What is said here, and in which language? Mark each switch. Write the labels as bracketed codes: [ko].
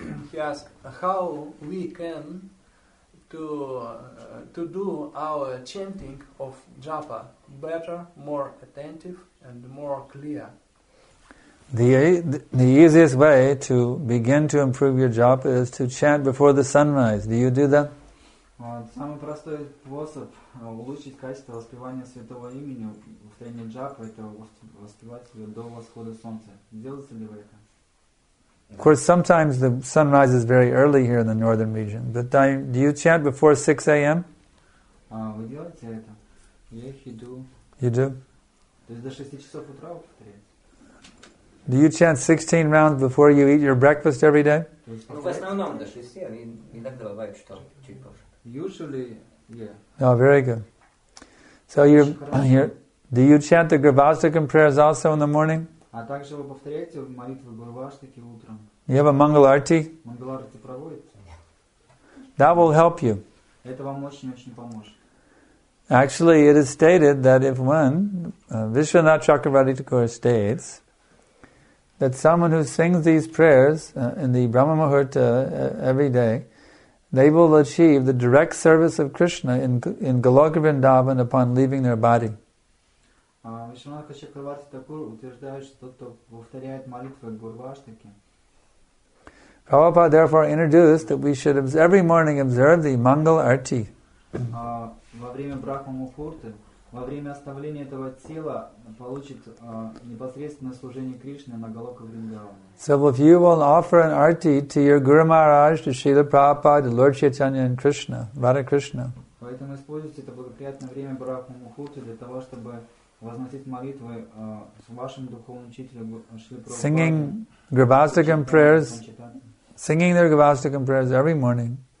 [en] He asked how we can to do our chanting of japa better, more attentive and more clear. The easiest way to begin to improve your japa is to chant before the sunrise. Do you do that? [ru] Самый простой способ улучшить качество воспевания святого имени в тренинге джапы — это воспевать ее до восхода солнца. Делаете ли вы это? [en] Of course, sometimes the sun rises very early here in the northern region. But do you chant before 6 a.m.? [ru] Вы делаете это? [en] Yes, you do. You do? [ru] То есть до 6 часов утра вы повторяете? [en] Do you chant 16 rounds before you eat your breakfast every day? [ru] Ну, в основном до 6, а иногда бывает, что чуть позже. [en] Usually, yeah. Oh, very good. So you're here. Do you chant the Gurvastakam prayers also in the morning? [ru] А также вы повторяете молитву Гурваштаки утром. [en] You have a Mangal Arti? [ru] Mangal Arti проводите? [en] That will help you. [ru] Это вам очень-очень поможет. [en] Actually, it is stated that if one, Vishwanath Chakravarti Thakura states, that someone who sings these prayers in the Brahma Muhurta every day, they will achieve the direct service of Krishna in Goloka Vrindavan upon leaving their body. [ru] Вишванатха Чакраварти Такур утверждает, что тот, кто повторяет молитвы Гурваштаки. [en] Prabhupada therefore introduced that we should every morning observe the Mangal Arti. [ru] Во время Брахма Мухурты, во время оставления этого тела, получит непосредственное служение Кришны на Голока Вриндаване. [en] So if you will offer an arti to your Guru Maharaj, to Srila Prabhupada, to Lord Chaitanya and Krishna, Radha Krishna. [ru] Поэтому используйте это благоприятное время Брахма Мухурты для того, чтобы возносить молитвы вашему духовному учителю Шри Прабхупаде. [en] Singing Gurvastakam prayers, singing their Gurvastakam prayers every morning.